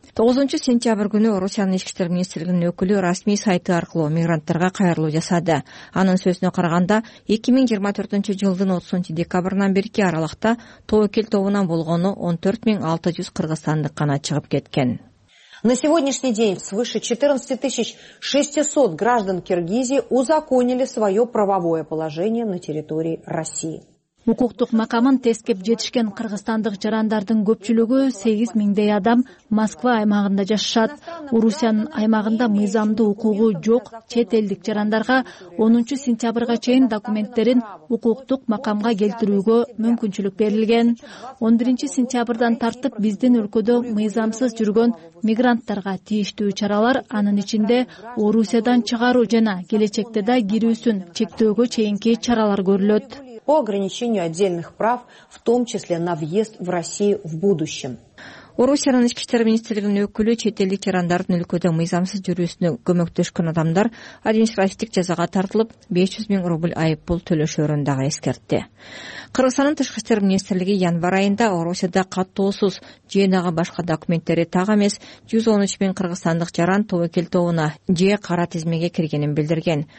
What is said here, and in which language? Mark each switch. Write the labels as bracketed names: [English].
[Kyrgyz] 9 сентябрь күнү Орусиянын ички иштер министрлигинин өкүлү расмий сайты аркылуу мигранттарга кайрылуу жасады. Анын сөзүнө караганда 2024 жылдын 30 декабрынан берки аралыкта тоокел тобунан болгону 14 600 кыргызстандык гана чыгып кеткен. [Russian] На сегодняшний день свыше 14 600 граждан Киргизии узаконили свое правовое положение на территории России. [Kyrgyz] Укуктук макамын тескеп жетишкен кыргызстандык жарандардын көпчүлүгү 8 000 адам Москва аймагында жашашат. Орусиянын аймагында мыйзамдуу укугу жок чет элдик жарандарга 10 сентябрга чейин документтерин укуктук макамга келтирүүгө мүмкүнчүлүк берилген. 11 сентябрдан тартып биздин өлкөдө мыйзамсыз жүргөн мигранттарга тийиштүү чаралар, анын ичинде Орусиядан чыгаруу жана келечекте да кирүүсүн чектөөгө чейинки чаралар көрүлөт. [Russian] По ограничению отдельных прав, в том числе на въезд в Россию в будущем. [Kyrgyz] Орусиянын ички иштер министрлигинин өкүлү четелдик жарандардын өлкөдө мыйзамсыз жүрүүсүнө көмөктөшкөн адамдар административдик жазага тартылып 500 000 рубль айыппул төлөшөрүн дагы эскертти. Кыргызстандын тышкы иштер министрлиги январь айында Орусияда каттоосуз жана ага башка документтери так эмес 113 000 кыргызстандык жаран тобокел тобуна же кара тизмеге киргенин билдирген.